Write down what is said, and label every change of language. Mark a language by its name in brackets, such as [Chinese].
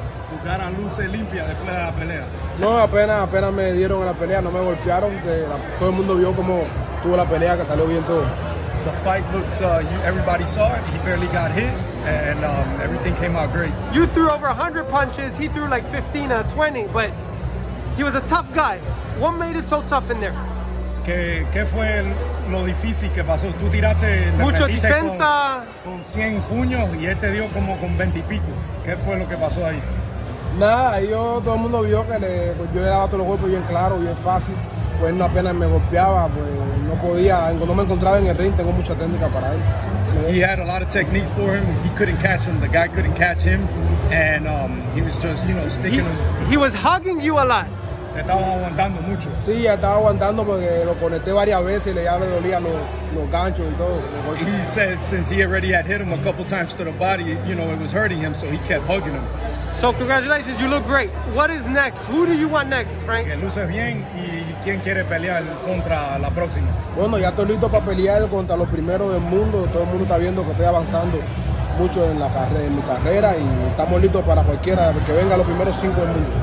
[Spanish] Tu cara luce limpia después de la pelea. No, apenas me dieron la pelea, no me golpearon. Todo el mundo vio cómo tuvo la pelea, que salió bien todo. [English] The fight looked, everybody saw it. He barely got hit, and everything came out great. You threw over 100 punches. He threw like 15 or 20, but he was a tough guy. What made it so tough in there? [Spanish] ¿Qué fue lo difícil que pasó? Tú tiraste mucha defensa con 100 puños y él te dio como con 20 y pico. ¿Qué fue lo que pasó ahí? Nada, yo todo el mundo vio que yo le daba todos los golpes bien claro, bien fácil. Pues no apenas me golpeaba, pues no podía, no me encontraba en el ring, tengo mucha técnica para él. [English] He had a lot of technique for him. He couldn't catch him. The guy couldn't catch him. And he was just, you know, sticking him. He was hugging you a lot. [Spanish] Estaba aguantando mucho. Sí, estaba aguantando porque lo conecté varias veces y le ya le dolía los ganchos y todo. [English] He said since he already had hit him a couple times to the body, you know, it was hurting him, so he kept hugging him. So congratulations, you look great. What is next? Who do you want next, Frank? [Spanish] Que luce bien y quién quiere pelear contra la próxima. Bueno, ya estoy listo para pelear contra los primeros del mundo. Todo el mundo está viendo que estoy avanzando mucho en la carrera, en mi carrera, y estamos listos para cualquiera que venga los primeros cinco del mundo.